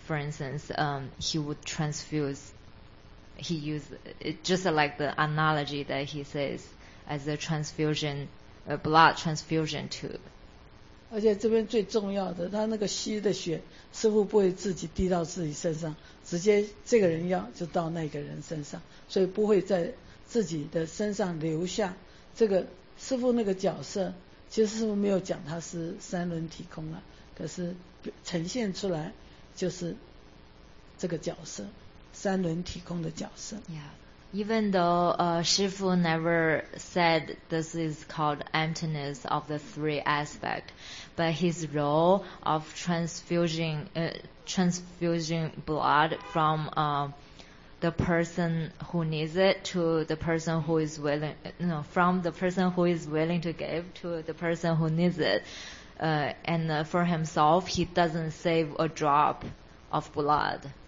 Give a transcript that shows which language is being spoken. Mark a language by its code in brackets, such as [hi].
[en] For instance, he would transfuseHe used it just like the analogy that he says as a transfusion, a blood transfusion tube. [zh] 而且这边最重要的，他那个吸的血，师父不会自己滴到自己身上，直接这个人要就到那个人身上，所以不会在自己的身上留下。这个师父那个角色，其实师父没有讲他是三轮体空了、啊，可是呈现出来就是这个角色。三轮体空的角色。 [en] Yeah, even though Shifu never said this is called emptiness of the three aspect, but his role of transfusing blood from the person who needs it to the person who is willing, you know, from the person who is willing to give to the person who needs it, and for himself, he doesn't save a drop of blood.